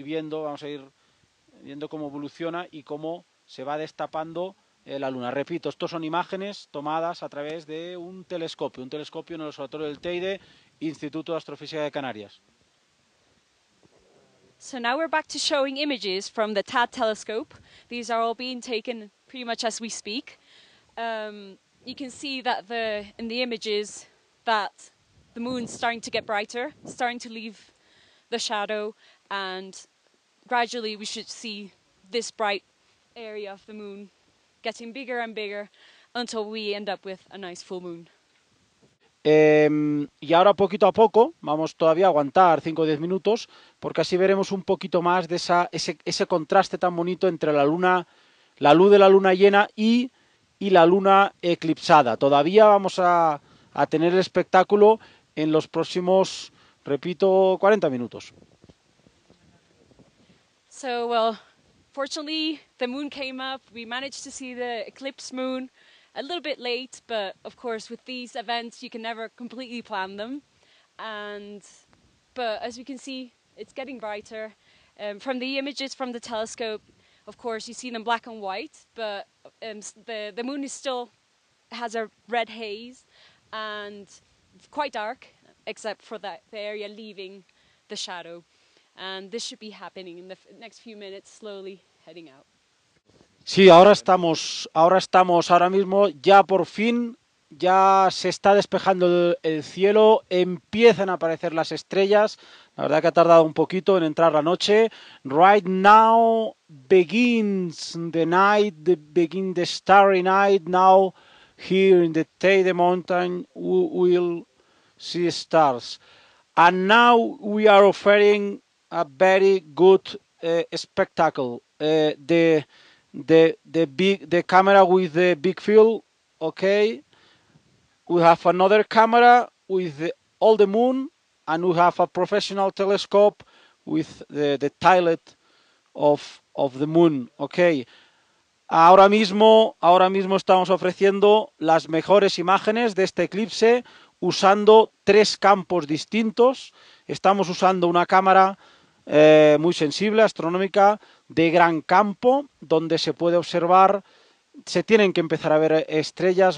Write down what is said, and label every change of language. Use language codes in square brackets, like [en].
[es] Vamos a ir viendo cómo evoluciona y cómo se va destapando la luna. Repito, estos son imágenes tomadas a través de un telescopio en el observatorio del Teide, Instituto de Astrofísica de Canarias. [en] So now we're back to showing images from the TAD telescope. These are all being taken pretty much as we speak. You can see that in the images that the moon's starting to get brighter, starting to leave the shadow, and gradually we should see this bright area of the moon getting bigger and bigger until we end up with a nice full moon. [es] Y ahora poquito a poco, vamos todavía a aguantar 5 o 10 minutos, porque así veremos un poquito más de ese contraste tan bonito entre la luna, la luz de la luna llena y la luna eclipsada. Todavía vamos a tener el espectáculo en los próximos, repito, 40 minutos. [en] So, well, fortunately, the moon came up, we managed to see the eclipse moon. A little bit late, but of course with these events you can never completely plan them. But as we can see, it's getting brighter. From the images from the telescope, of course you see them black and white, but the moon is still has a red haze and it's quite dark, except for the area leaving the shadow. And this should be happening in the next few minutes, slowly heading out. [es] Sí, ahora estamos, ahora mismo, ya por fin, ya se está despejando el cielo, empiezan a aparecer las estrellas, la verdad que ha tardado un poquito en entrar la noche. [en] Right now begins the night, begin the starry night, now here in the Teide Mountain we will see stars. And now we are offering a very good spectacle, the camera with the big field, okay. We have another camera with all the moon, and we have a professional telescope with the tilt of the moon, okay. [es] Ahora mismo estamos ofreciendo las mejores imágenes de este eclipse usando tres campos distintos. Estamos usando una cámara muy sensible, astronómica, de gran campo, donde se puede observar, se tienen que empezar a ver estrellas.